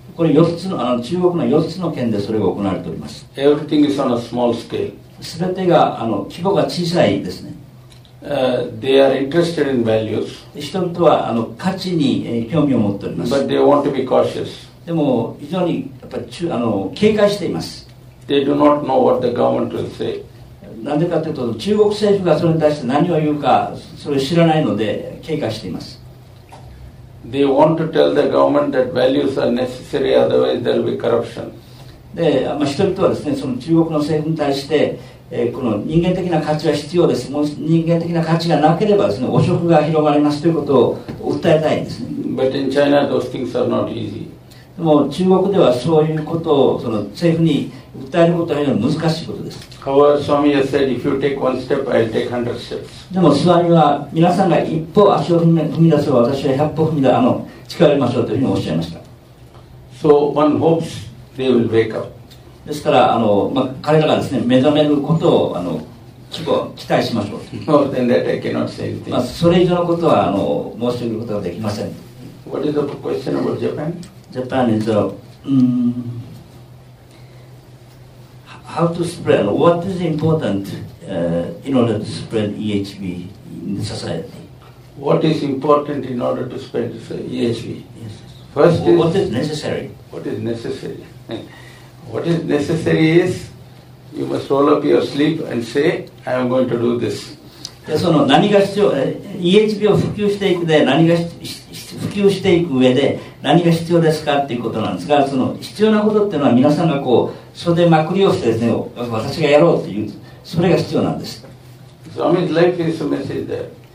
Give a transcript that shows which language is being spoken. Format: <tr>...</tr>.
<ja>これ4つの中国の4つの県でそれが行われております。</ja> <en>Everything is on a small scale.</en> <ja>全てが規模が小さいですね。</ja> <en>They are interested in values.</en> <ja>人々は価値に、興味を持っております。</ja> <en>But they want to be cautious.</en> <ja>でも非常にやっぱ警戒しています。</ja> <en>They do not know what the government will say.</en> <ja>なんでかというと中国政府がそれに対して何を言うかそれを知らないので警戒しています。</ja> <en>They want to tell the government that values are necessary, otherwise there will be corruption.</en> <ja>で、人々はですね、その中国の政府に対してこの人間的な価値は必要です。もし人間的な価値がなければですね、汚職が広がりますということを訴えたいんですね。</ja> <en>But in China, those things are not easy.</en> <ja>でも中国ではそういうことをその政府に訴えることは難しいことです。</ja> <en>However, Swami has said, if you take one step, I'll take 100 steps.</en> <ja>でもスワミは皆さんが一歩足を踏み出せば私は100歩踏み出力を入れましょうというふうにおっしゃいました。</ja> <en>So one hopes they will wake up.</en> <ja>ですから彼らがですね、目覚めることを期待しましょう。</ja> <en>More than that, I cannot say anything.</en> <ja>まあ、それ以上のことは申し上げることはできません。</ja> <en>What is the question about Japan? Japan is how to spread, what is important in order to spread EHB in the society? What is important in order to spread EHB? Yes. First is, what is necessary? What is necessary? What is necessary is you must roll up your sleeve and say, I am going to do this.</en> <ja>その何が必要、EHB を普及していくで何が必普及していく上で何が必要ですかっていうことなんですが、その必要なことっていうのは皆さんがこう袖まくりをしてですね、私がやろうというそれが必要なんです。スワミのライフイズメッセージで、</ja>